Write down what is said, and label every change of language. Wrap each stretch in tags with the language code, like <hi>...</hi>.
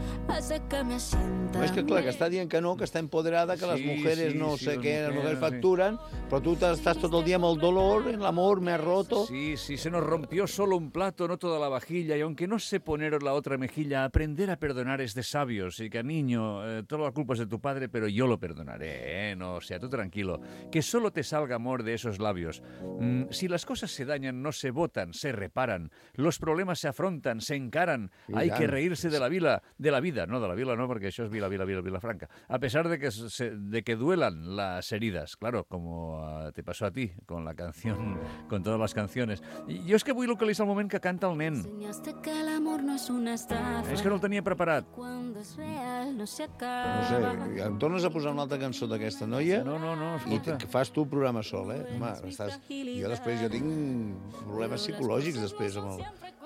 <ca>No, és que clar, que està dient que no, que està empoderada, que les mujeres facturen, però tu estàs tot el dia amb el dolor, en l'amor,</ca> <es>me ha roto. Sí, se nos rompió solo un plato, no toda la vajilla, y aunque no sé poner la otra mejilla, aprender a perdonar es de sabios, y que niño, toda la culpa es de tu padre, pero yo lo perdonaré, no, o sea, tú tranquilo, que solo te salga amor de esos labios. Si las cosas se dañan, no se botan, se reparan, los problemas se afrontan, se encaran, hay que reírse de la vida, no, de la vila no,</es> <ca>perquè això és Vilafranca.</ca> <es>A pesar de que, duelen les herides, claro, como te pasó a ti, con la canción, con todas las canciones.</es> <ca>Jo és que vull localitzar el moment que canta el nen. Que l'amor no és una estafa. És que no el tenia preparat. No sé, em tornes a posar una altra cançó d'aquesta noia? No, escolta. I fas tu programa sol, Home, estàs... Jo tinc problemes psicològics després amb el...</ca>